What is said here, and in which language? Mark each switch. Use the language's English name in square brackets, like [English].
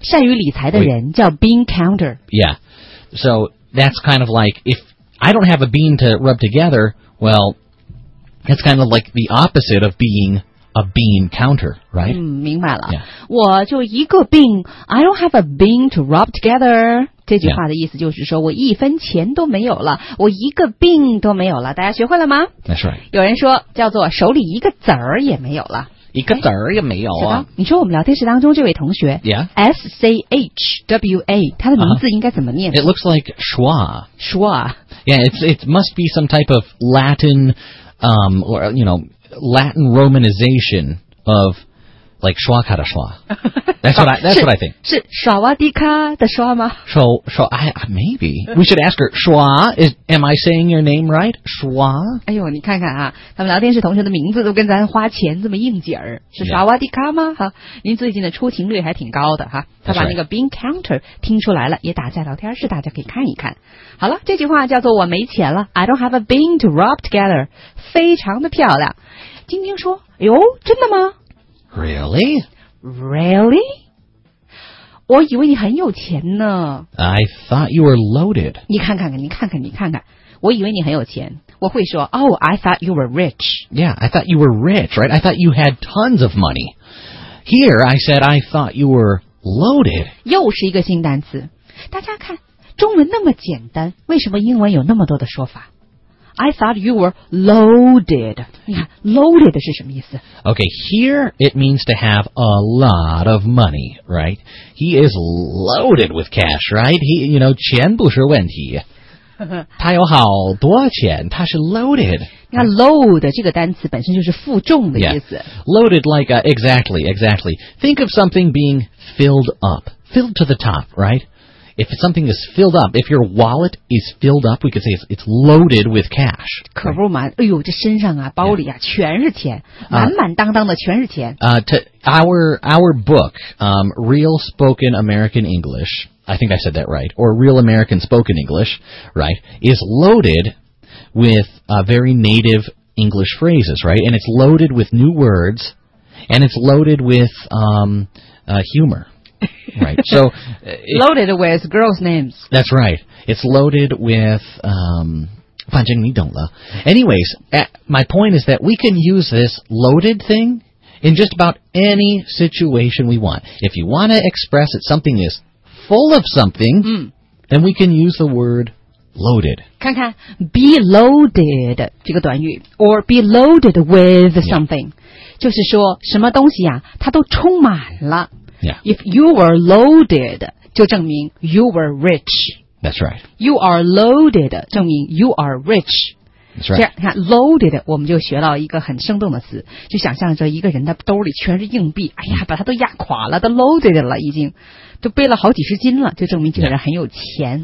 [Chinese] 善于理财的人叫 bean counter. [English] Yeah. So that's kind of like, if I don't have a bean to rub together, well, that's kind of like the opposite of being... A bean counter, right? [Chinese] 嗯，明白了。 [English] Yeah. [Chinese] 我就一个 [English] bean, I don't have a bean to rub together. [Chinese] 这句话的意思就是说我一分钱都没有了，我一个 bean 都没有了。大家学会了吗 [English] ？That's right. [Chinese] 有人说叫做手里一个子儿也没有了，一个子儿也没有啊。你说我们聊天室当中这位同学 [English] ，Yeah, [Chinese] S C H W A， 他的名字应该怎么念 [English] ？It looks like Schwa. Schwa. Yeah, it must be some type of Latin, or you know. Latin romanization of like schwa kada schwa. That's what I think. [Chinese] 是 schwa di ka 的 schwa 吗 [English] schwa, maybe. We should ask her, schwa, am I saying your name right? Schwa? [Chinese] 哎呦你看看啊他们聊天室同学的名字都跟咱花钱这么应景儿。是 schwa di ka 吗、 [English] yeah. [Chinese] 您最近的出勤率还挺高的哈他把那个 bean counter 听出来了也打在聊天室大家可以看一看。好了这句话叫做我没钱了 [English] I don't have a bean to rub together. [Chinese] 非常的漂亮。晶晶说哟真的吗 [English] Really? [Chinese] 我以为你很有钱呢 [English] I thought you were loaded [Chinese] 你看看你看看你看看我以为你很有钱。我会说 ， [English] Oh, I thought you were rich. Yeah, I thought you were rich, right? I thought you had tons of money. Here, I said, I thought you were loaded. [Chinese] 又是一个新单词。大家看，中文那么简单，为什么英文有那么多的说法？ [English] I thought you were loaded. [Chinese] 你看 [English] ,loaded [Chinese] 是什么意思? [English] Okay, here it means to have a lot of money, right? He is loaded with cash, right? He, you know, [Chinese] 钱不是问题。他有好多钱,他是 loaded. 你看 load 这个单词本身就是负重的意思。 [English] Yeah, loaded like, exactly, exactly. Think of something being filled up, filled to the top, right? If something is filled up, if your wallet is filled up, we could say it's loaded with cash. [Chinese] 可不嘛，哎呦，这身上啊，包里啊，全是钱，满满当当的全是钱。 [English] To our book, Real Spoken American English, I think I said that right, or Real American Spoken English, right, is loaded with very native English phrases, right? And it's loaded with new words, and it's loaded with humor. Right, so loaded with girls' names. That's right. It's loaded with, [Chinese] 反正你懂了. [English] Anyways, my point is that we can use this loaded thing in just about any situation we want. If you want to express that something is full of something, then we can use the word loaded. [Chinese] 看看 be loaded 这个短语 [English] or be loaded with something,、 [Chinese] 就是说什么东西啊，它都充满了。 [English] Yeah. If you were loaded, [Chinese] 就证明 [English] you were rich. That's right. You are loaded, [Chinese] 证明 [English] you are rich. That's right. [Chinese] 这样 loaded, 我们就学到一个很生动的词，就想象着一个人的兜里全是硬币，哎呀，把他都压垮了，都 loaded 了，已经都背了好几十斤了，就证明这个人很有钱、